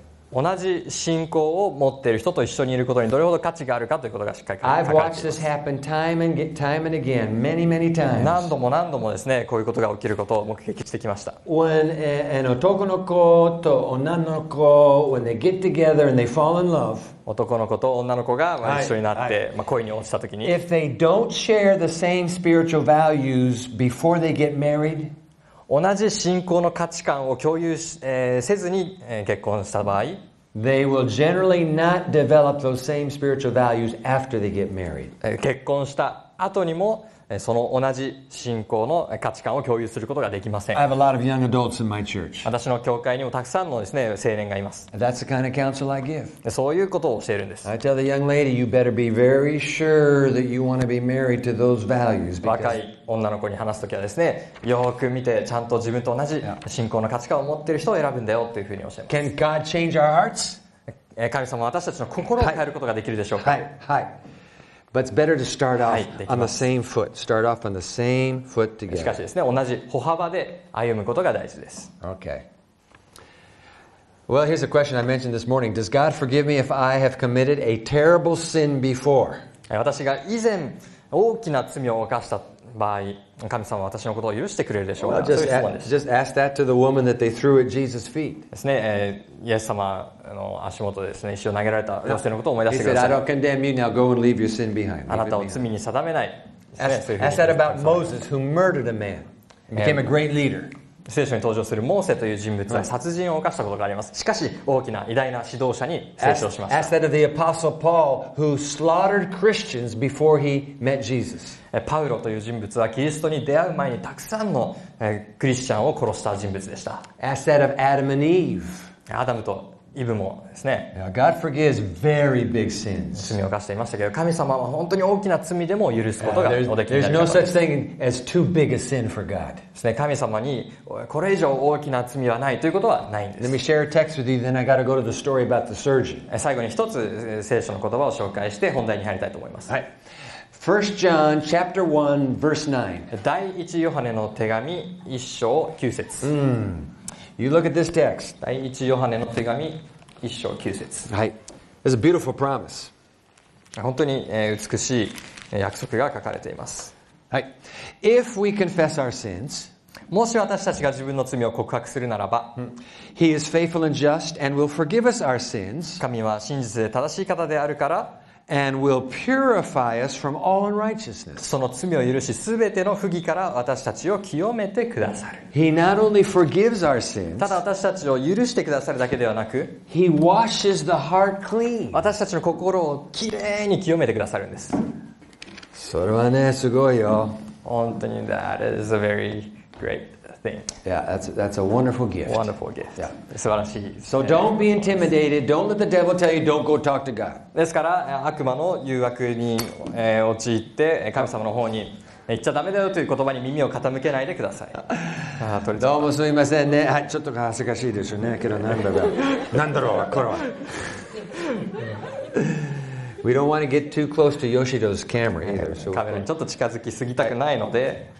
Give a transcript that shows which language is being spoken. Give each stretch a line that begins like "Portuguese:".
Japanese: 同じ信仰を持っている人と一緒にいることにどれほど価値があるかということがしっかり書かれています。
English: I've watched this happen time and time and again, many, many times.
Japanese: 何度も何度もですね、こういうことが起きることを目撃してきました。
English: When
Japanese: 男の子と女の子、
English: when they get together and they fall in love.
Japanese: 男の子と女の子が一緒になって、まあ、恋に落ちたときに。
English: If they don't share the same spiritual values before they get married.
Japanese: 同じ信仰の価値観を共有し、せずに、結婚した場合、
English: They will generally not develop those same spiritual values after they get married.
Japanese: 結婚した後にも、その同じ信仰の価値観を共有することができません。
English: I have a lot of young adults in my church.
Japanese: 私の教会にもたくさんのですね、青年がいます。
English: That's the kind of counsel I give.
Japanese: そういうことを教えるんです。
English: I tell the young lady, you better be very sure that you want to be married to those values.
Japanese: 若い女の子に話すときはですね、よく見てちゃんと自分と同じ信仰の価値観を持っている人を選ぶんだよというふうに教えます。
English: Can God change our hearts?
Japanese: 神様は私たちの心を変えることができるでしょうか。はい、はい。
English: But it's better to start off on the same foot. Start off on the same foot together.
Japanese: しかしですね、同じ歩幅で歩むことが大事です。
English: Okay. Well, here's a question I mentioned this morning. Does God forgive me if I have committed a terrible sin before?
Japanese: 私が以前大きな罪を犯した場合、神様は私のことを許してくれるでしょうか。
English: Well, just ask that to the woman that they threw at Jesus' feet.
Japanese: ですね、イエス様の足元でですね、石を投げられた女性のことを思い出してください。
English: He said, "I don't condemn you. Now go and leave your sin behind."
Japanese: あなたを罪に定めない。
English: Ask that about Moses, who murdered a man, became a great leader.
Japanese: 聖書に登場するモーセという人物は殺人を犯したことがあります。しかし、大きな偉大な指導者に成長しました。
English: Ask that of the apostle Paul, who slaughtered Christians before he met Jesus.
Japanese: パウロという人物はキリストに出会う前にたくさんのクリスチャンを殺した人物でした。
English: Ask that of Adam and Eve.
Japanese: アダムとイブもですね。
English: Now, God forgives very big sins.
Japanese: 罪を犯していましたけど、神様は本当に大きな罪でも許すことがおできになります。
English: There's no such thing as too big a sin for God.
Japanese: ですね、神様にこれ以上大きな罪はないということはないんです。
English: Let me share a text with you, then I gotta go to the story about the surgeon.
Japanese: 最後に一つ聖書の言葉を紹介して本題に入りたいと思います。はい。
English: 1 John chapter 1 verse 9.
Japanese: 第一ヨハネの手紙一章九節。
English: You look at this text.
Japanese: 第一ヨハネの手紙一章九節。はい。
English: It's a beautiful promise.
Japanese: 本当に美しい約束が書かれています。はい。
English: If we confess our sins,
Japanese: もし私たちが自分の罪を告白するならば、
English: He is faithful and just and will forgive us our sins.
Japanese: 神は真実で正しい方であるから、
English: And will purify us from all unrighteousness.
Japanese: その罪を許し、すべての不義から私たちを清めてくださる。
English: He not only forgives our sins.
Japanese: ただ私たちを許してくださるだけではなく、
English: He washes the heart clean.
Japanese: 私たちの心をきれいに清めてくださるんです。それはね、すごいよ。本当に、
English: that is a very great thing. Yeah, that's a wonderful gift. Wonderful gift. Yeah.
Japanese: 素晴らしい。
English: So don't be intimidated. Don't let the devil tell you don't go talk to God.
Japanese: ですから悪魔の誘惑に陥って神様の方に行っちゃダメだよという言葉に耳を傾けないでください。どうもすみませんね、はい、ちょっと恥ずかしいですよね。けどなんだろうなんだろうこれは。
English: We don't want to get too close to Yoshido's camera either, so...
Japanese: カメラにちょっと近づきすぎたくないので、